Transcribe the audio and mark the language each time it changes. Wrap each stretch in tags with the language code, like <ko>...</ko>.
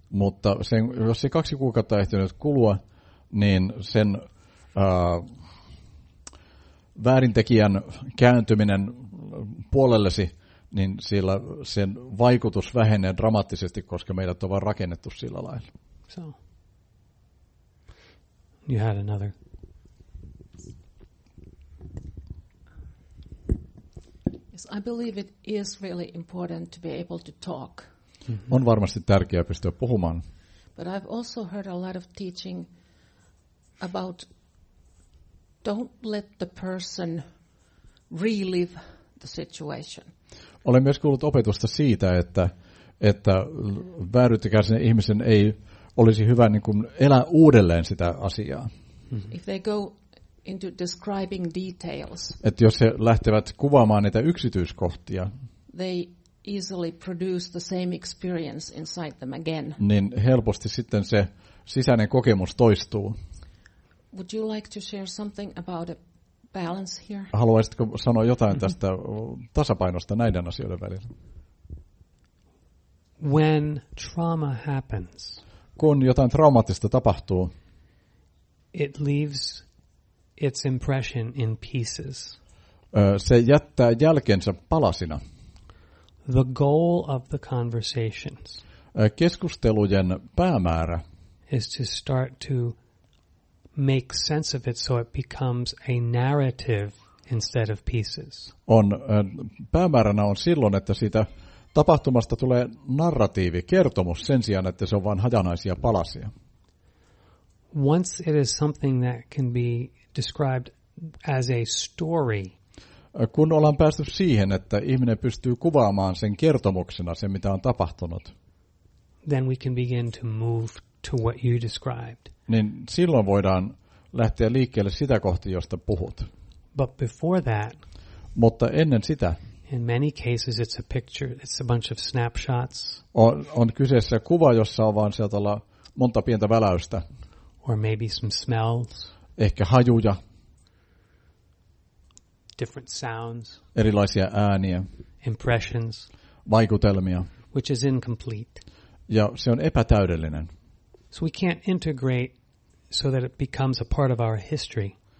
<fi>mutta sen, jos se 2 kuukautta ehtinyt kulua, niin sen väärintekijän kääntyminen puolellesi, niin sillä sen vaikutus vähenee dramaattisesti, koska meidät on vaan rakennettu sillä lailla.</fi> <en>So. You had another. Yes, I believe it is really important to be able to talk.</en> <fi>On varmasti tärkeää pystyä puhumaan.</fi> <en>But I've also heard a lot of teaching about don't let the person relive the situation.</en> <fi>Olen myös kuullut opetusta siitä, että vääryyttäkärsinen ihmisen ei olisi hyvä niin kuin elää uudelleen sitä asiaa.</fi> <en>If they go into describing details,</en> <fi>että jos he lähtevät kuvaamaan niitä yksityiskohtia,</fi> <en>they easily produce the same experience inside them again.</en> <fi>Niin helposti sitten se sisäinen kokemus toistuu.</fi> <en>Would you like to share something about a balance here?</en> <fi>Haluaisitko sanoa jotain tästä tasapainosta näiden asioiden välillä?</fi> <en>When trauma happens,</en> <fi>kun jotain traumaattista tapahtuu,</fi> <en>it leaves its impression in pieces.</en> <fi>Se jättää jälkensä palasina.</fi> <en>The goal of the conversations.</en> <fi>Keskustelujen päämäärä</fi> <en>is to start to make sense of it so it becomes a narrative instead of pieces.</en> <fi>On päämääränä on silloin, että siitä tapahtumasta tulee narratiivi, kertomus sen sijaan, että se on vain hajanaisia palasia.</fi> <en>Once it is something that can be described as a story.</en> <fi>Kun ollaan päästy siihen, että ihminen pystyy kuvaamaan sen kertomuksena sen, mitä on tapahtunut.</fi> <en>Then we can begin to move to what you described.</en> <fi>Niin silloin voidaan lähteä liikkeelle sitä kohti, josta puhut.</fi> <en>But before that,</en> <fi>mutta ennen sitä,</fi> <en>in many cases it's a picture, it's a bunch of snapshots.</en> <fi>On kyseessä kuva, jossa on vaan sieltä olla monta pientä väläystä.</fi> <en>Or maybe some smells.</en> <fi>Ehkä hajuja.</fi> <en>Different sounds.</en> <fi>Erilaisia ääniä.</fi> <en>Impressions.</en> <fi>Vaikutelmia.</fi> <en>Which is incomplete.</en> <fi>Ja se on epätäydellinen.</fi> <en>So we can't integrate so that it becomes a part of our history.</en>